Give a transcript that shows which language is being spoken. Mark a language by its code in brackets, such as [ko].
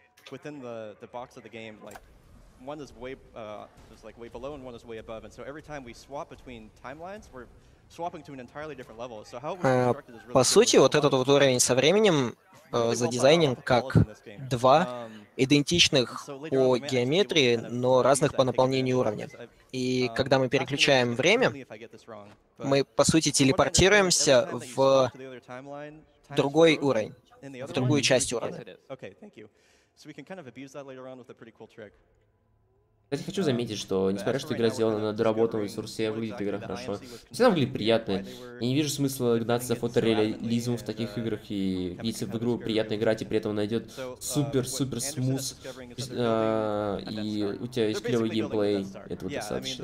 [en] Within the box of the game, like one is way is like way below and one is way above, and so every time we swap between timelines, we're swapping to an entirely different level. So how we [ru] по сути, вот этот вот уровень со временем задизайнен как два идентичных по геометрии, но разных по наполнению уровня. И когда мы переключаем время, мы по сути телепортируемся в другой уровень, в другую часть уровня. [en] Okay, thank you. So we can kind of abuse that later on with a pretty cool trick. [ru] Я хочу заметить, что несмотря, что игра сделана на доработанном ресурсе, выглядит игра хорошо. Всегда выглядит приятно. Я не вижу смысла гнаться за фотореализмом в таких играх, и если в игру приятно играть, и при этом найдет супер-супер смус, и у тебя есть клевый геймплей, этого достаточно.